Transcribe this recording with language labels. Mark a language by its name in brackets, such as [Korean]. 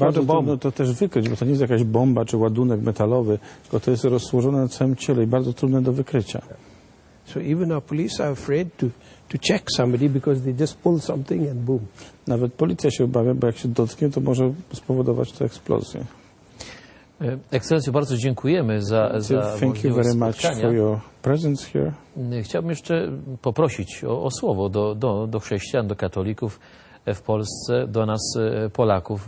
[Polish] bardzo trudno to też wykryć, bo to nie jest jakaś bomba czy ładunek metalowy, tylko to jest rozłożone na całym ciele i bardzo trudne do wykrycia. [English] So even our police are afraid to check somebody because they just pull something and boom. [Polish] Nawet policja się obawia, bo jak się dotknie, to może spowodować to eksplozję. Ekscelencjo, bardzo dziękujemy za [English] thank you very much for your presence here. [Polish] Chciałbym jeszcze poprosić o słowo do chrześcijan, do katolików w Polsce, do nas Polaków.